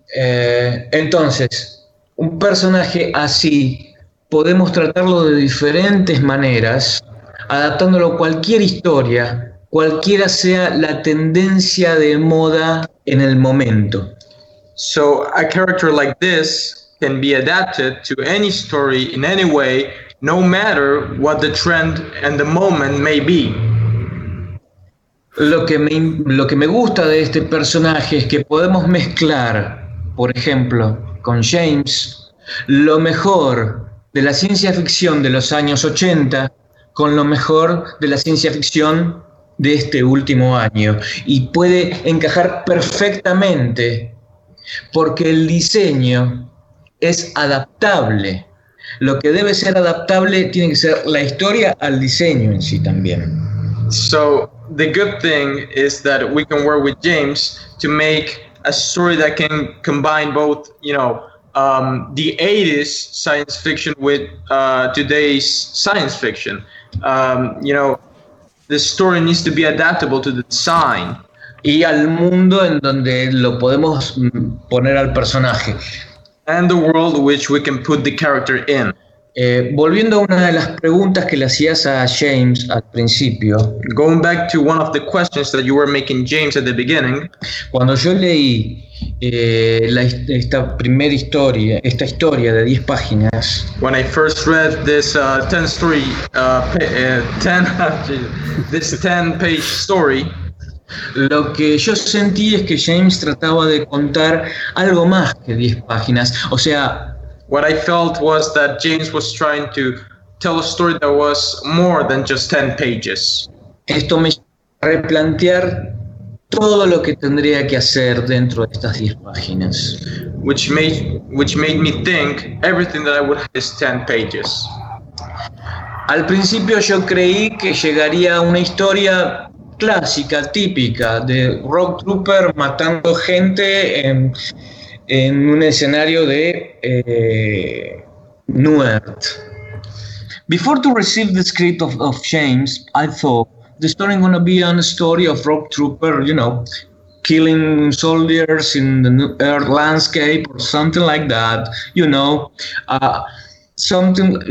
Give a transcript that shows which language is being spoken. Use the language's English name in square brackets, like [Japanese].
[Spanish] Entonces, un personaje así podemos tratarlo de diferentes maneras, adaptándolo a cualquier historia, cualquiera sea la tendencia de moda en el momento. [English] So a character like this can be adapted to any story in any way, no matter what the trend and the moment may be. [Spanish] Lo que me gusta de este personaje es que podemos mezclar, por ejemplo, con James, lo mejor de la ciencia ficción de los años 80 con lo mejor de la ciencia ficción de este último año. Y puede encajar perfectamente, porque el diseño es adaptable. Lo que debe ser adaptable tiene que ser la historia al diseño en sí también. [English] So, the good thing is that we can work with James to make a story that can combine both, you know, the 80s science fiction with today's science fiction. You know, the story needs to be adaptable to the design. [Spanish] y al mundo en donde lo podemos poner al personaje. [English] And the world which we can put the character in. [Spanish] Volviendo a una de las preguntas que le hacías a James al principio. [English] Going back to one of the questions that you were making James at the beginning. [Spanish] Cuando yo leí esta primera historia, esta historia de 10 páginas. [English] When I first read this 10-page story. [Spanish] Lo que yo sentí es que James trataba de contar algo más que 10 páginas. O sea, [English] what I felt was that James was trying to tell a story that was more than just 10 pages. [Spanish] Esto me hizo replantear todo lo que tendría que hacer dentro de estas 10 páginas. [English] Which made me think everything that I would have is 10 pages. [Spanish] Al principio yo creí que llegaría una historia clásica, típica, de rock trooper matando gente en un escenario de Newark. [English] Before to receive the script of James, I thought the story going to be on a story of rock trooper, you know, killing soldiers in the Newark landscape or something like that, you know, something.